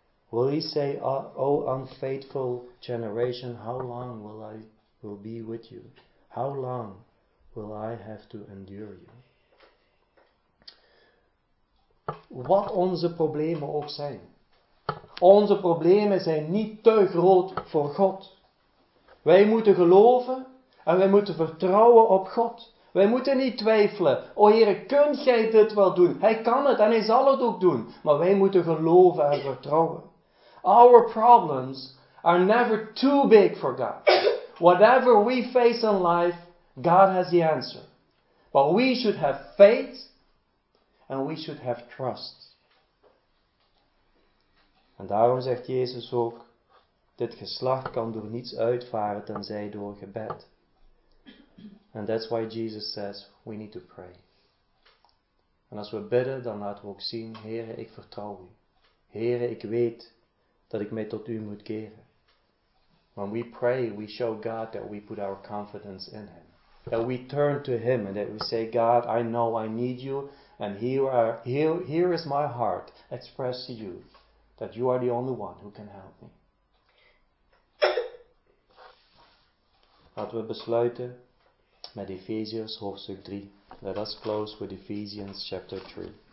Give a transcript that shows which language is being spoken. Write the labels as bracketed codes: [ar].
[en] Will he say, oh unfaithful generation, how long will I will be with you? How long will I have to endure you? [nl] Wat onze problemen ook zijn. Onze problemen zijn niet te groot voor God. Wij moeten geloven en wij moeten vertrouwen op God. Wij moeten niet twijfelen. O Heere, kunt Gij dit wel doen? Hij kan het en Hij zal het ook doen. Maar wij moeten geloven en vertrouwen. [en] Our problems are never too big for God. Whatever we face in life, God has the answer. But we should have faith. And we should have trust. [nl] En daarom zegt Jezus ook, dit geslacht kan door niets uitvaren tenzij door gebed. [en] And that's why Jesus says, we need to pray. [nl] En als we bidden, dan laten we ook zien, Heere, ik vertrouw u. Heere, ik weet dat ik mij tot u moet keren. [en] When we pray, we show God that we put our confidence in him. That we turn to him and that we say, God, I know I need you. And here is my heart expressed to you that you are the only one who can help me. [nl] Laten we besluiten met Efeziërs hoofdstuk 3. [en] Let us close with Ephesians chapter 3.